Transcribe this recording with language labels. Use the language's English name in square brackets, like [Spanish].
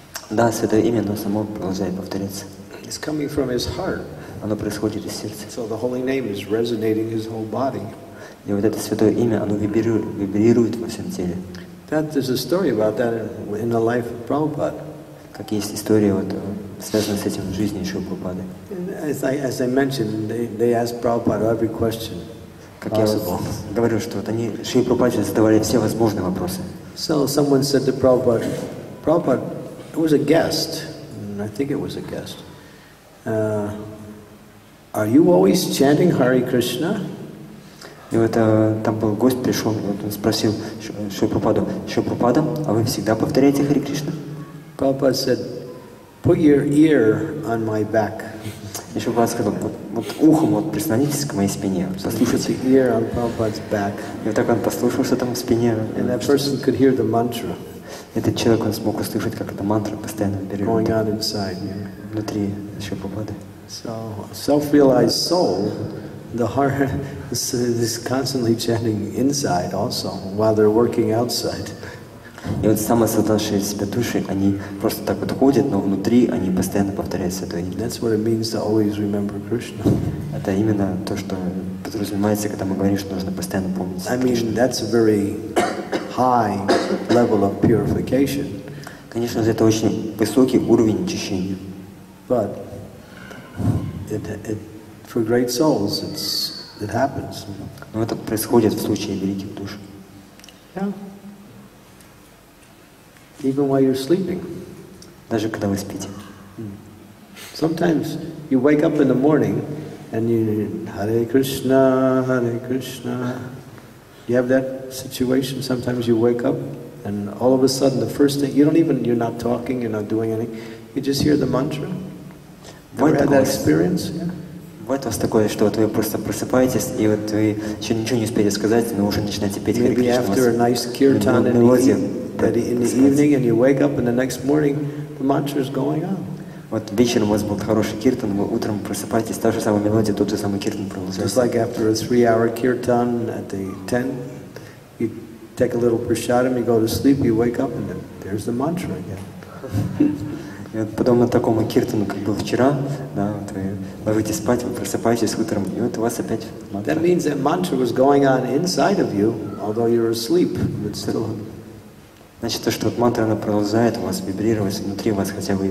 [Russian] Да, святое имя, оно само продолжает повторяться. [English] It's coming from his heart. [Russian] Оно происходит из сердца. [English] So the holy name is resonating his whole body. [Russian] И вот это святое имя, оно вибрирует во всем теле. [English] That there's a story about that in the life of Prabhupada. [Russian] Как есть история вот связанная с этим в жизни еще Прабхупады. [English] As I mentioned, they asked Prabhupada every question. [Russian] Как я говорю, что вот они Шри Прабхупаде задавали все возможные вопросы. [English] So someone said to Prabhupada, it was a guest, and I think it was a guest. Are you always chanting Hare Krishna? [Russian] И вот там был гость пришел, вот он спросил Шри Прабхупаду, Шри Прабхупада, а вы всегда повторяете Hare Krishna? [English] Prabhupada said, put your ear on my back. [Russian] И Шри Прабхупада сказал, вот ухом вот прислонитесь к моей спине, послушайте. [English] Put your ear on Prabhupada's back. [Russian] И вот так он послушался там в спине. [English] And that person could hear the mantra. [Russian] Этот человек он смог услышать, как эта мантра постоянно берет. [English] Going on inside, yeah. [Russian] Внутри Шри Прабхупады. [English] So self-realized soul, the heart is constantly chanting inside also, while they're working outside. [Russian] И вот самосознавшие себя души, они просто так вот ходят, но внутри они постоянно повторяют святое имя. [English] That's what it means to always remember Krishna. [Russian] Это именно то, что подразумевается, когда мы говорим, что нужно постоянно помнить Кришну. [English] I mean, that's a very high level of purification. [Russian] Конечно, это очень высокий уровень очищения. [English] But it for great souls, it happens. [Russian] Но это происходит в случае великих душ. [English] Yeah. Even while you're sleeping. [Russian] Даже когда вы спите. [English] Sometimes you wake up in the morning and you Hare Krishna, Hare Krishna. You have that situation. Sometimes you wake up and all of a sudden the first thing you're not talking, you're not doing anything. You just hear the mantra. Ever had that experience? [Russian] Бывает у вас такое, что вот вы просто просыпаетесь, и вот вы еще ничего не успели сказать, но уже начинаете петь Hare Krishna. [English] Maybe after a nice kirtan in the evening. That in the evening, and you wake up, and the next morning, the mantra is going on. [Russian] Вот вечером у вас был хороший киртан, вы утром просыпаетесь, та же самая мелодия, тот же самый киртан продолжается. [English] Just like after a three-hour kirtan at the tent, you take a little prasadam, you go to sleep, you wake up, and then there's the mantra again. [Russian] И вот подобно такому киртану, как был вчера, да, вот вы ложитесь спать, вы просыпаетесь утром, и вот у вас опять мантра. [English] That means that mantra was going on inside of you, although you're asleep, but still. [Russian] Значит, то, что вот мантра, она продолжает у вас вибрировать внутри вас, хотя вы и